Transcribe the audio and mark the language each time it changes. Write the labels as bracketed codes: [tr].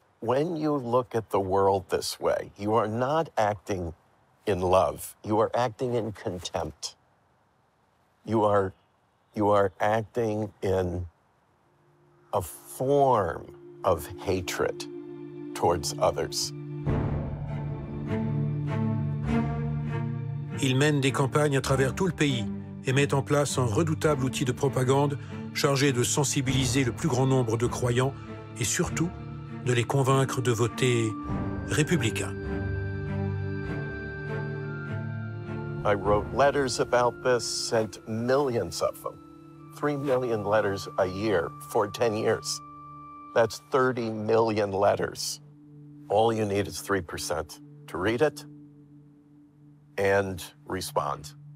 [en] When you look at the world this way, you are not acting in love. You are acting in contempt. You are acting in a form of hatred towards others. [fr] Il mène des campagnes à travers tout le pays et met en place un redoutable outil de propagande chargé de sensibiliser le plus grand nombre de croyants et surtout de les convaincre de voter républicain. [en] I wrote letters about this, sent millions of them. 3 million letters a year for 10 years. That's 30 million letters. All you need is 3% to read it and respond.